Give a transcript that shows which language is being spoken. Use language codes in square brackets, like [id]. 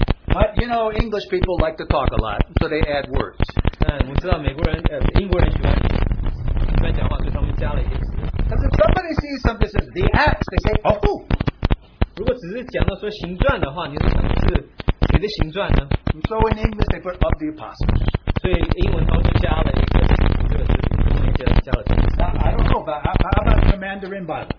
[en] But you know, English people like to talk a lot, so they add words. [zh] 嗯，我知道美国人，英国人喜欢讲话，所以他们加了一些词。 [en] Because if somebody sees something says the Acts, they say, oh, who? [zh] 如果只是讲到说行传的话，你是想是谁的行传呢？ [en] So in English, they put of the apostles. [zh] 所以英文他们就加了一个。 [en] I don't know, but how about the Mandarin Bible?